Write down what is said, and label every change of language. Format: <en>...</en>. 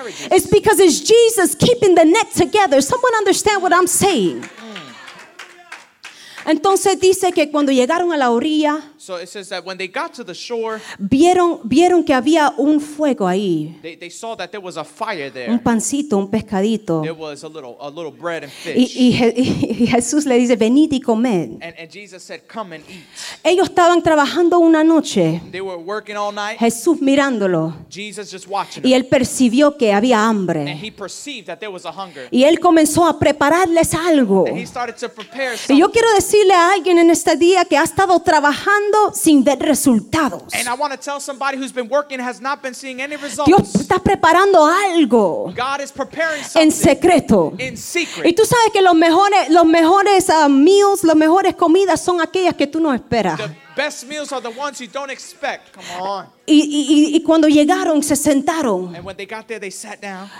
<en>is because it's Jesus keeping the net together. Someone understand what I'm saying?</en> <es>Entonces dice que cuando llegaron a la orilla,</es> <en>so it says that when they got to the shore,</en> <es>vieron que había un fuego ahí.</es> <en>They saw that there was a fire there.</en> <es>Un pancito, un pescadito.</es> <en>There was a little bread and fish.</en> <es>Y Jesús le dice, venid y comed.</es> <en>And Jesus said, come and eat.</en> <es>Ellos estaban trabajando una noche.</es> <en>They were working all night.</en> <es>Jesús mirándolo.</es> <en>Jesus just watching.</en> <es>Y él percibió que había hambre.</es> <en>And he perceived that there was a hunger.</en> <es>Y él comenzó a prepararles algo.</es> <en>And he started to prepare something.</en> <es>Y yo quiero decirle a alguien en este día que ha estado trabajando sin ver resultados. Dios está preparando algo en secreto. Y tú sabes que los mejores meals, las mejores comidas son aquellas que tú no esperas.</es> <en>Best meals are the ones you don't expect. Come on.</en> <es>Y cuando llegaron, se sentaron.</es> <en>And when they got there, they sat down.</en>